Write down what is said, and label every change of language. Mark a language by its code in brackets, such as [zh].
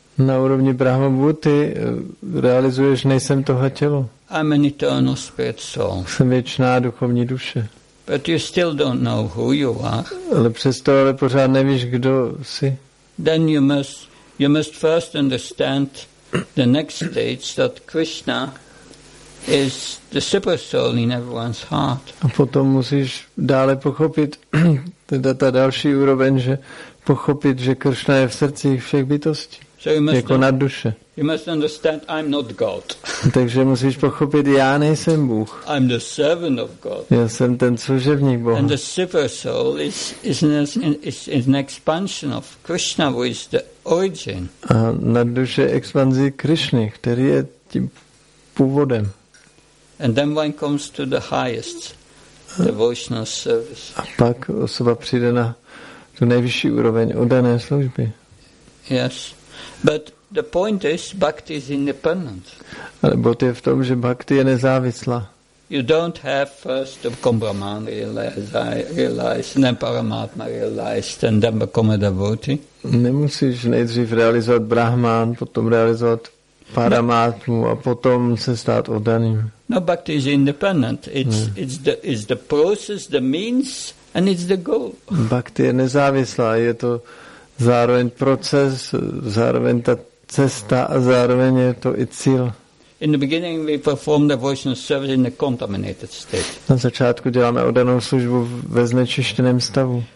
[cs] Na úrovni Brahma Buddhy realizuješ, nejsem tohle tělo. [en] I'm an eternal spirit soul. [cs] Jsem věčná duchovní duše. [en] But you still don't know who you are. [cs] Ale přesto ale pořád nevíš, kdo jsi. [en] Then you must first understand the next stage that Krishna is the super soul in everyone's heart. [cs] A potom musíš dále pochopit teda ta další úroveň, že pochopit, že Kršna je v srdcích všech bytostí. [en] So you must [cs] jako nad duše. [en] You must understand I'm not God. [cs] Takže musíš pochopit, já nejsem Bůh. [en] I'm the servant of God. [cs] Já jsem ten služebník Boha. [en] And the super soul is an expansion of Krishna, who is the origin. [cs] A nad duše expanzí Krishny, který je tím původem. [en] And then one comes to the highest devotional service. [cs] A pak osoba přijde na tu nejvyšší úroveň oddané služby. [en] Yes. But the point is, bhakti is independent. [cs] Ale bod je v tom, že bhakti je nezávislá. [en] You don't have first the kumbhamana realized, and then paramatma realized, and then become a devotee. [cs] Nemusíš nejdřív realizovat brahman, potom realizovat paramatmu a potom se stát oddaným. [en] No, bhakti is independent. It's the process, the means, and it's the goal. [cs] Bhakti je nezávislá, je to zároveň proces, zároveň ta cesta a zároveň je to i cíl. [en] In the beginning we perform the devotional service in a contaminated state. [cs] Na začátku děláme oddanou službu ve znečištěném stavu.